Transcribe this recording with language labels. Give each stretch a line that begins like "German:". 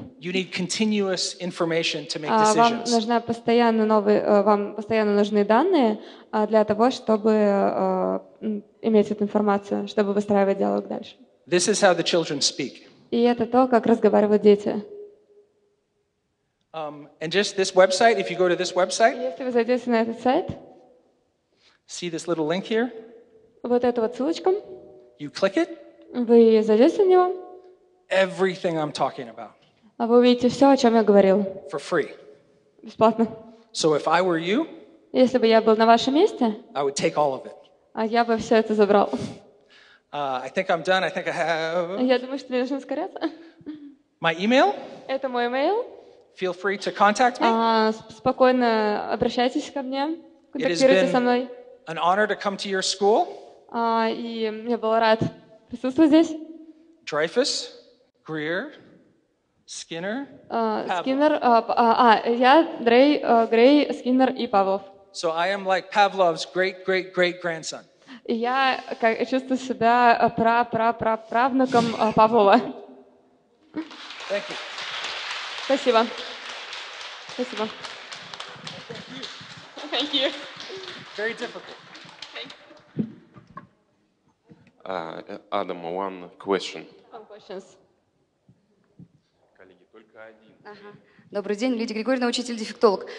English: You need continuous information to make decisions.
Russian: Вам нужна постоянно новые, вам постоянно нужны данные для того, чтобы иметь эту информацию, чтобы выстраивать диалог дальше.
English: This is how the children speak.
Russian: И это то, как разговаривают дети.
English: And just this website, if you go to this website.
Russian: Если вы зайдете на этот сайт.
English: See this little link here?
Russian: Вот эту вот ссылочку.
English: You click it.
Russian: Вы зайдете на него.
English: Everything I'm talking about.
Russian: А вы увидите все, о чем я говорил.
English: For free.
Russian: Бесплатно.
English: So if I were you,
Russian: если бы я был на вашем месте,
English: I would take all of it.
Russian: А я бы все это забрал.
English: I think I'm done. I think I have...
Russian: Я думаю, что мне нужно ускоряться.
English: My email?
Russian: Это мой email.
English: feel free to contact me.
Russian: Спокойно обращайтесь ко мне, контактируйте со мной.
English: It has been an honor to come to your school.
Russian: И я был рад присутствовать здесь.
English: Dreyfus, Greer, Skinner,
Russian: Skinner, я Дрей, Грей, Скиннер и Павлов.
English: So I am like Pavlov's great great great grandson.
Russian: Я чувствую себя правнуком Павлова.
English: Thank you.
Russian: Спасибо. Спасибо.
English: Thank you. Very difficult. Адам, one question. One questions.
Russian: Коллеги, только один. Добрый день, Лидия Григорьевна, учитель-дефектолог.